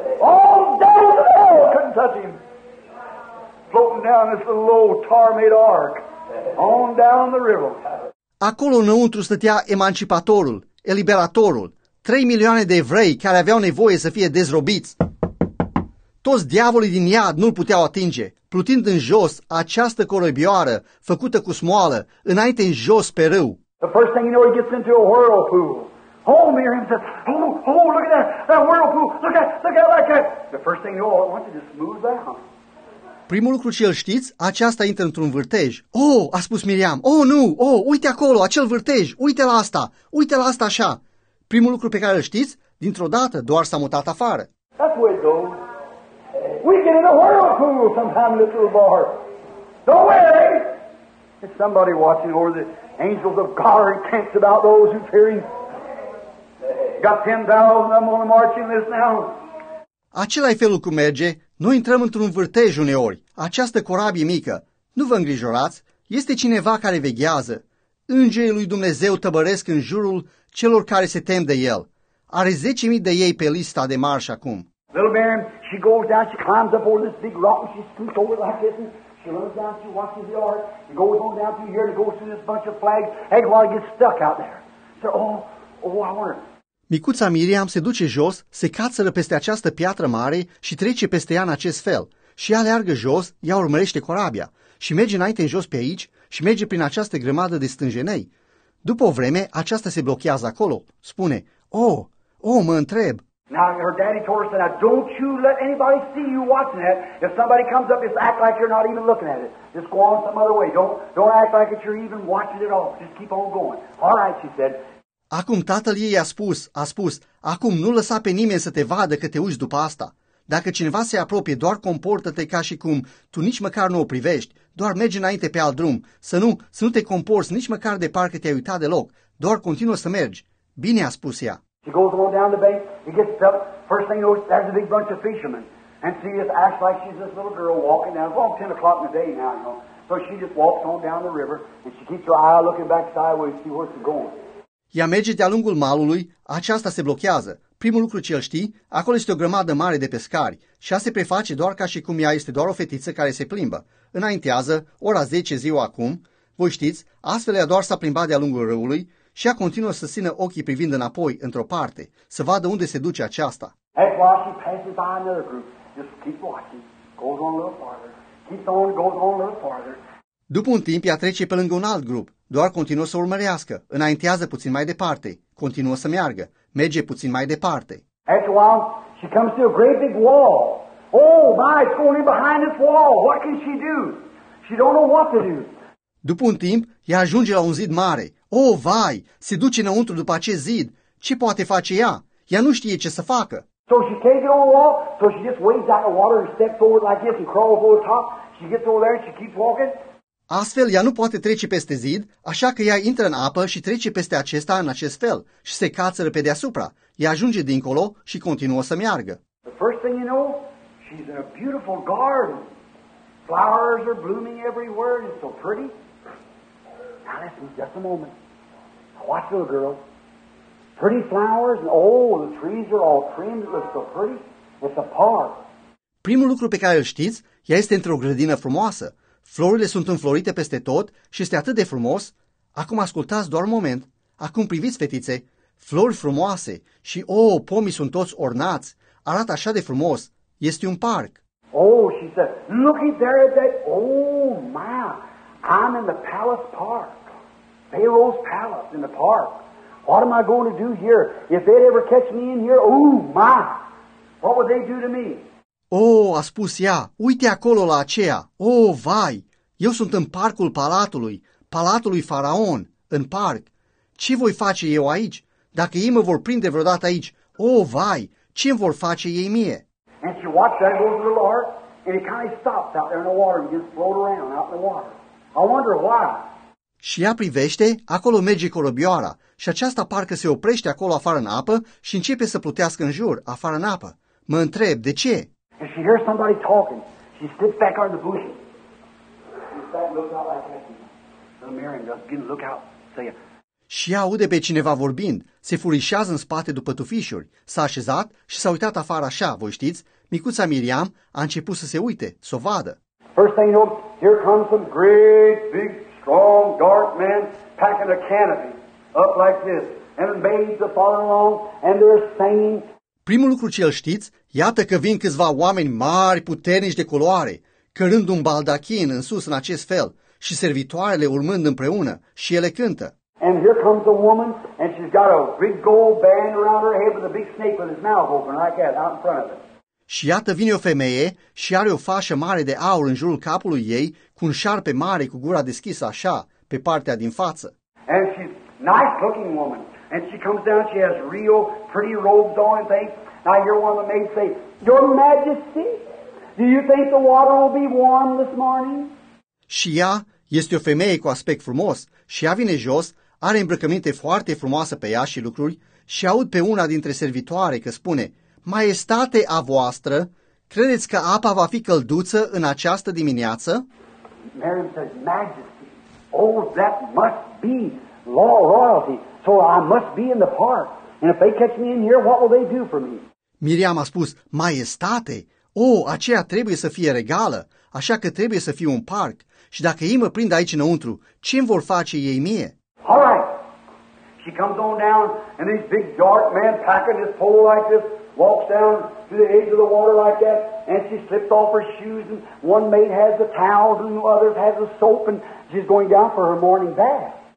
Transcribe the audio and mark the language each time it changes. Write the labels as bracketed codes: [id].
[en] All down the hill, couldn't touch him. Floating down this little old tar-made ark, on down the river. [ro] Acolo înăuntru stătea emancipatorul, eliberatorul, 3 milioane de evrei care aveau nevoie să fie dezrobiți. Toți diavolii din iad nu-l puteau atinge, plutind în jos această corăbioară făcută cu smoală, înainte în jos pe râu. [en] The first thing you know, he gets into a whirlpool. Oh, Miriam says, oh, look at that whirlpool, look at that cat. The first thing you know, I want you to smooth down. [ro] Primul lucru ce îl știți, aceasta intră într-un vârtej. Oh, a spus Miriam, oh, uite acolo, acel vârtej, uite la asta așa. Primul lucru pe care îl știți, dintr-o dată, doar s-a mutat afară. [en] That's the way it goes. We get in a whirlpool sometime, little boy. Don't worry. There's somebody watching over the angels of God are encamped about those who fear Him. Got 10,000 of them on the marching list now. [ro] Același felul cum merge, noi intrăm într-un vârtej uneori. Această corabie mică, nu vă îngrijorați, este cineva care veghează. Îngerii lui Dumnezeu tăbăresc în jurul celor care se tem de El. Are 10.000 de ei pe lista de marș acum. [en] Little Mary, she goes down, she climbs up over this big rock and she scoots over like this and she runs down, she watches the ark and goes on down through here and goes through this bunch of flags. Hey, while it gets stuck out there. So, oh, I wonder. [ro] Micuța Miriam se duce jos, se cațără peste această piatră mare și trece peste ea în acest fel. Și ea leargă jos, ea urmărește corabia și merge înainte în jos pe aici și merge prin această grămadă de stânjenei. După o vreme, aceasta se blochează acolo. Spune, oh, mă întreb. [en] Now her daddy told her, said, now don't you let anybody see you watching that. If somebody comes up, just act like you're not even looking at it. Just go on some other way. Don't act like you're even watching it all. Just keep on going. All right, she said. [ro] Acum tatăl ei a spus, acum nu lăsa pe nimeni să te vadă că te uiți după asta. Dacă cineva se apropie, doar comportă-te ca și cum tu nici măcar nu o privești, doar mergi înainte pe alt drum, să nu te comporți nici măcar de parcă te-ai uitat deloc, doar continuă să mergi. Bine, a spus ea. [en] She goes on down the bank, he gets up, first thing you know, there's a big bunch of fishermen. And she just acts like she's this little girl walking down, it's about 10 o'clock in the day now, you know. So she just walks on down the river and she keeps her eye looking back sideways to see where she's going. [ro] Ea merge de-a lungul malului, aceasta se blochează. Primul lucru ce îl știi, acolo este o grămadă mare de pescari și ea se preface doar ca și cum ea este doar o fetiță care se plimbă. Înaintează, ora 10 ziua acum, voi știți, astfel ea doar s-a plimbat de-a lungul râului și ea continuă să țină ochii privind înapoi, într-o parte, să vadă unde se duce aceasta. [en] That's why she passes by another group. Just keep watching. Goes on a little farther. Keeps on, goes on a little farther. [ro] După un timp, ea trece pe lângă un alt grup. Doar continuă să urmărească, înaintează puțin mai departe, continuă să meargă, merge puțin mai departe. [en] After a while, she comes to a great big wall. Oh my, it's going in behind this wall. What can she do? She don't know what to do. [ro] După un timp, ea ajunge la un zid mare. Oh vai, se duce înăuntru după acest zid. Ce poate face ea? Ea nu știe ce să facă. [en] So she takes it on the wall, so she just wades out of the water and steps over like this and crawls over the top. She gets over there and she keeps walking. [ro] Astfel, ea nu poate trece peste zid, așa că ea intră în apă și trece peste acesta în acest fel și se cațără pe deasupra. Ea ajunge dincolo și continuă să meargă. [en] The first thing you know, she's in a beautiful garden. Flowers are blooming everywhere and it's so pretty. Now listen, just a moment. Watch, little girl. Pretty flowers and oh, the trees are all trimmed. It looks so pretty. It's a park. [ro] Primul lucru pe care îl știți, ea este într-o grădină frumoasă. Florile sunt înflorite peste tot și este atât de frumos. Acum ascultați doar un moment. Acum priviți, fetițe, flori frumoase și, oh, pomii sunt toți ornați. Arată așa de frumos. Este un parc. [en] Oh, she said, looky there at that, oh, my, I'm in the palace park. Pharaoh's palace in the park. What am I going to do here? If they ever catch me in here, oh, my, what would they do to me? [ro] Oh, a spus ea, uite acolo la aceea. Oh, vai, eu sunt în parcul palatului Faraon, în parc. Ce voi face eu aici? Dacă ei mă vor prinde vreodată aici, oh, vai, ce îmi vor face ei mie? [en] And she watched that go through the ark, and it kind of stops out there in the water and just float around out in the water. I wonder why. [ro] Și ea privește, acolo merge corobioara, și aceasta parcă se oprește acolo afară în apă și începe să plutească în jur, afară în apă. Mă întreb, de ce? [en] And she hears somebody talking. She sits back under the bushes. She sits back and looks out like that. Little Mary, just begin to look out. Say [ro] she aude pe cineva vorbind. Se furișează în spate după tufișuri. S-a așezat și s-a uitat afară așa, voi știți. Micuța Miriam a început să se uite, să o vadă. [en] First thing you know, here comes some great, big, strong, dark men packing a canopy up like this. And the maids are following along and they're singing. [ro] Primul lucru ce îl știți, iată că vin câțiva oameni mari, puternici de culoare, cărând un baldachin în sus în acest fel și servitoarele urmând împreună și ele cântă. [en] And here comes a woman and she's got a big gold band around her head with a big snake with his mouth open like that out in front of her. [ro] Și iată vine o femeie și are o fașă mare de aur în jurul capului ei cu un șarpe mare cu gura deschisă așa pe partea din față. [en] And she's a nice looking woman. And she comes down, she has real pretty robes on and things. Now I hear one of the maids say, Your Majesty, do you think the water will be warm this morning? [ro] Și ea este o femeie cu aspect frumos și ea vine jos, are îmbrăcăminte foarte frumoasă pe ea și lucruri și aud pe una dintre servitoare că spune: Maestate a voastră, credeți că apa va fi călduță în această dimineață? [en] Mary says, Majesty, oh, that must be law royalty, so I must be in the park. And if they catch me in here, what will they do for me? [ro] Miriam a spus, Maestate, oh, aceea trebuie să fie regală, așa că trebuie să fiu în parc. Și dacă ei mă prind aici înăuntru, ce îmi vor face ei mie? [en] All right. She comes on down, and these big dark men packing this pole like this, walks down to the edge of the water like that, and she slips off her shoes, and one maid has the towels, and the others has the soap, and she's going down for her morning bath.